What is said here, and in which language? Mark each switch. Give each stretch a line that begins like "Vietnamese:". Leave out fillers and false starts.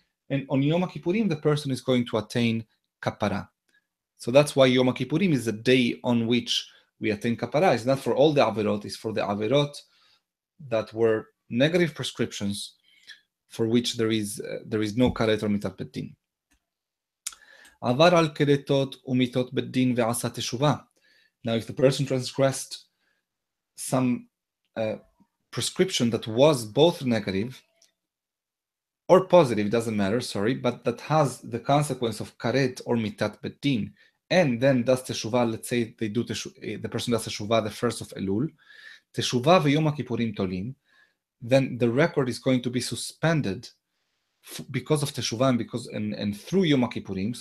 English: And on Yom HaKippurim, the person is going to attain kapara. So that's why Yom HaKippurim is the day on which we attain kapara. It's not for all the averot, it's for the averot that were negative prescriptions for which there is no karet or mitat bedin.
Hebrew: עבר על כרתות ומיתות בית דין ועשה תשובה.
English: Now, if the person transgressed some prescription that was both negative or positive, doesn't matter, sorry, but that has the consequence of karet or mitat bet din, and then does teshuvah, let's say they do the person does teshuvah the first of Elul,
Hebrew: teshuvah v'yom ha-kippurim tolim,
English: then the record is going to be suspended because of teshuvah and through yom ha-kippurim.